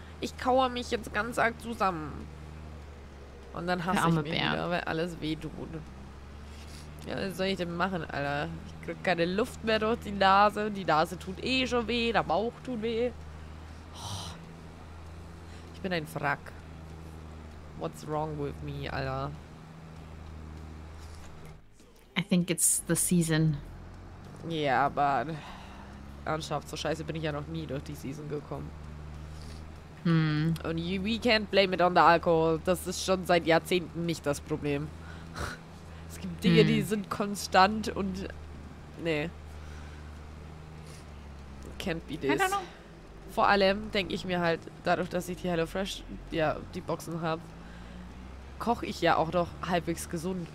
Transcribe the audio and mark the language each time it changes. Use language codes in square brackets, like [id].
[de] Ich kaue mich jetzt ganz arg zusammen. Und dann hasse ich mich wieder, weil alles wehtut. Ja, was soll ich denn machen, Alter? Ich krieg keine Luft mehr durch die Nase. Die Nase tut eh schon weh, der Bauch tut weh. Ich bin ein Wrack. [en] What's wrong with me, Alter? I think it's the season. [de] Ja, yeah, aber ernsthaft, so scheiße bin ich ja noch nie durch die Season gekommen. [en] Und we can't blame it on the alcohol. [de] Das ist schon seit Jahrzehnten nicht das Problem. Es gibt Dinge, die sind konstant und... Nee. [en] Can't be this. I don't know. [de] Vor allem denke ich mir halt, dadurch, dass ich die HelloFresh, ja, die Boxen habe, koche ich ja auch noch halbwegs gesund.